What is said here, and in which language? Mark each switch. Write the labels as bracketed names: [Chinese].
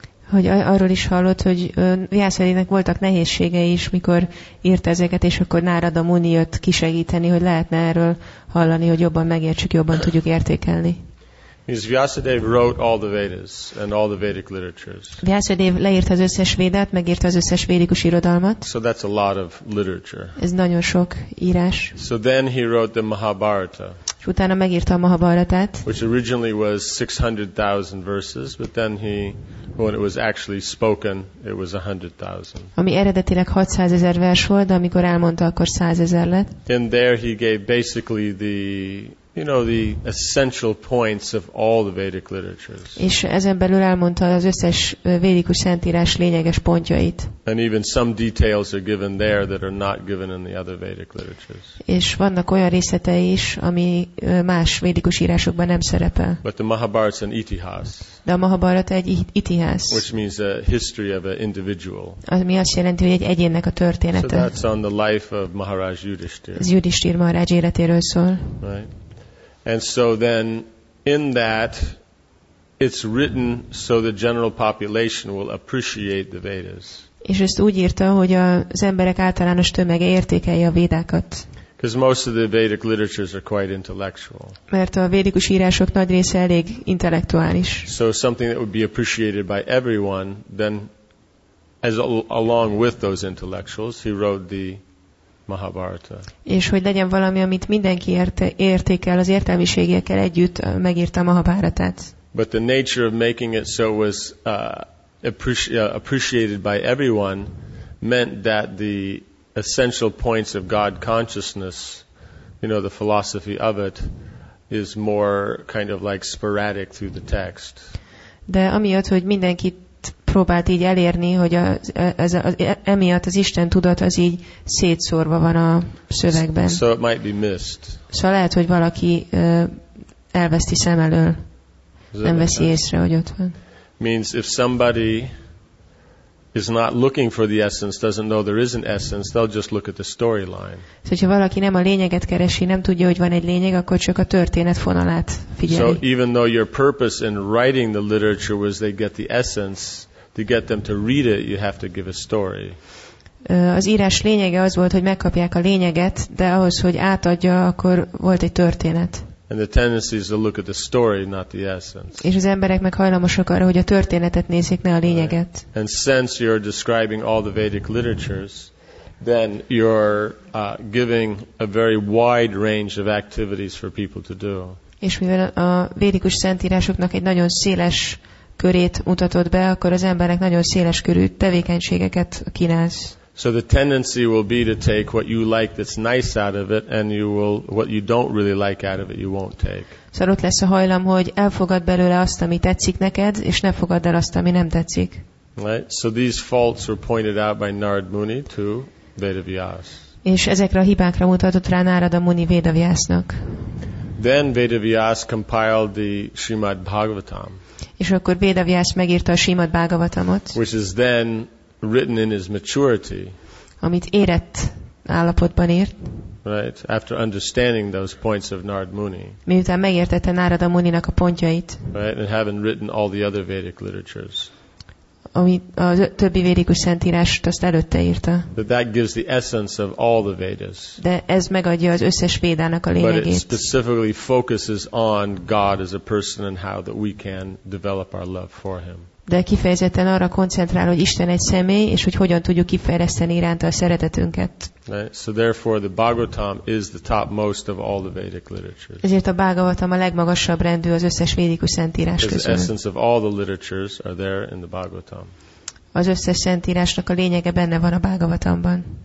[Hungarian] Hogy arról is hallott, hogy Vyászhadinek voltak nehézségei is, mikor írt ezeket, és akkor Narada Muni jött kisegíteni, hogy lehetne erről hallani, hogy jobban megértsük, jobban tudjuk értékelni. [English] Vyasadev wrote all the Vedas and all the Vedic literatures. [Hungarian] Vyasadev leírta az összes Védát, megírta az összes védikus irodalmat. [English] So that's a lot of literature. [Hungarian] Ez nagyon sok írás. [English] So then he wrote the Mahabharata. [Hungarian] És utána megírta a Mahabharatát. [English] Which originally was 600,000 verses, but then he, when it was actually spoken, it was 100,000. [Hungarian] Ami eredetileg 600,000 vers volt, de amikor elmondta, akkor 100,000 lett. [English] Then there he gave basically the, you know, the essential points of all the Vedic literatures. [Hungarian] És ezen belül elmondta az összes védikus szentírás lényeges pontjait. [English] And even some details are given there that are not given in the other Vedic literatures. [Hungarian] És vannak olyan részletei is, ami más védikus írásokban nem szerepel. [English] But the Mahabharata is an itihas. [Hungarian] De a Mahabharata egy itihas. [English] Which means a history of an individual. [Hungarian] Ami azt jelenti, hogy egy egyénnek a története. [English] So that's on the life of Maharaj Yudhishthira. [Hungarian] Ez Yudhishthira Maharaj életéről szól. [English] Right. And so then, in that, it's written so the general population will appreciate the Vedas. [Hungarian] És ezt úgy írta, hogy az emberek általános tömege értékelje a Védákat. [English] Because most of the Vedic literatures are quite intellectual. [Hungarian] Mert a védikus írások nagy része elég intellektuális. [English] So something that would be appreciated by everyone, then, as along with those intellectuals, he wrote the Mahabharata. [Hungarian] És hogy legyen valami, amit mindenki értékel, az értelmiségekkel együtt megírta Mahabharatát. [English] But the nature of making it so was appreciated by everyone meant that the essential points of God consciousness, you know, the philosophy of it, is more kind of like sporadic through the text. [Hungarian] De amiatt, hogy mindenki próbált így elérni, hogy emiatt az Isten tudat az így szétszórva van a szövegben. [English] So it might be missed. [Hungarian] Szóval lehet, hogy valaki elveszti szem elől. Nem veszi észre, hogy ott van. [English] Means if somebody is not looking for the essence, doesn't know there is an essence, they'll just look at the storyline. [Hungarian] Szóval, hogyha valaki nem a lényeget keresi, nem tudja, hogy van egy lényeg, akkor csak a történet fonalát figyeli. [English] So even though your purpose in writing the literature was they get the essence, to get them to read it, you have to give a story. [Hungarian] Az írás lényege az volt, hogy megkapják a lényeget, de ahhoz, hogy átadja, akkor volt egy történet. [English] And the tendency is to look at the story, not the essence. [Hungarian] És az emberek meg hajlamosak arra, hogy a történetet nézik, ne a lényeget. [English] Right. And since you're describing all the Vedic literatures, then you're giving a very wide range of activities for people to do. [Hungarian] És mivel a védikus szentírásoknak egy nagyon széles körét mutatott be, akkor az emberek nagyon széles körű tevékenységeket kínálsz. [English] So the tendency will be to take what you like that's nice out of it, and you will what you don't really like out of it you won't take. [Hungarian] Szóval ott lesz a hajlam, hogy elfogad belőle azt, ami tetszik neked, és ne fogad el azt, ami nem tetszik. [English] Right. So these faults were pointed out by Narad Muni to Vedavyas. [Hungarian] És ezekre a hibákra mutatott rá Narada Muni Vedavyasnak. [English] Then Vedavyas compiled the Srimad Bhagavatam. [Hungarian] És akkor Vedavyas megírta a Srimad Bhagavatamot. [English] Which is then written in his maturity. [Hungarian] Amit érett állapotban írt. [English] Right, after understanding those points of Narad Muni. [Hungarian] Miután megértette Narada Muninak a pontjait. [English] Right, and having written all the other Vedic literatures. [Hungarian] Ami a többi védikus szentírást azt előtte írta. [English] But that gives the essence of all the Vedas. [Hungarian] De ez megadja az összes Védának a lényegét. [English] But it specifically focuses on God as a person and how that we can develop our love for him. [Hungarian] De kifejezetten arra koncentrál, hogy Isten egy személy, és hogy hogyan tudjuk kifejleszteni iránta a szeretetünket. [English] Right. So therefore the Bhagavatam is the topmost of all the Vedic literatures. [Hungarian] Ezért a Bhagavatam a legmagasabb rendű az összes védikus szentírás közül. [English] The essence of all the literatures are there in the Bhagavatam. [Hungarian] Az összes szentírásnak a lényege benne van a Bhagavatamban.